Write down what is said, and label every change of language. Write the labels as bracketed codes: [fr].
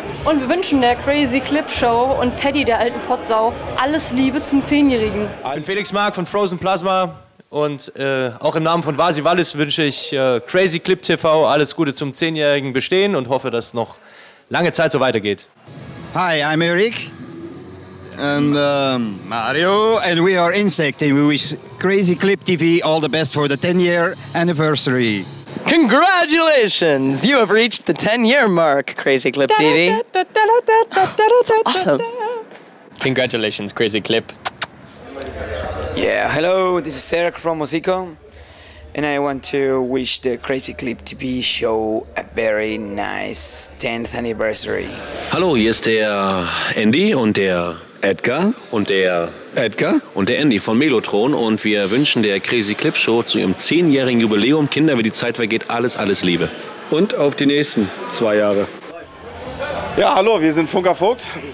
[de] Und wir wünschen der Crazy Clip Show und Paddy, der alten Potsau, alles Liebe zum 10-jährigen. Ich bin Felix Mark von Frozen Plasma und auch im Namen von Vasi Wallis wünsche ich Crazy Clip TV alles Gute zum 10-jährigen Bestehen und hoffe, dass noch lange Zeit so weitergeht. [en] Hi, I'm Eric. And Mario, and we are Insect, and we wish Crazy Clip TV all the best for the 10-year anniversary. Congratulations! You have reached the 10-year mark, Crazy Clip TV. Awesome! Congratulations, Crazy Clip. Yeah, hello, this is Sarah from Mosico, and I want to wish the Crazy Clip TV show a very nice 10th anniversary. [de] Hallo, hier ist der Andy und der Edgar und der Edgar und der Andy von Melotron und wir wünschen der Crazy Clip Show zu ihrem 10-jährigen Jubiläum. Kinder, wie die Zeit vergeht, alles, alles Liebe. Und auf die nächsten 2 Jahre. Ja, hallo, wir sind Funker Vogt.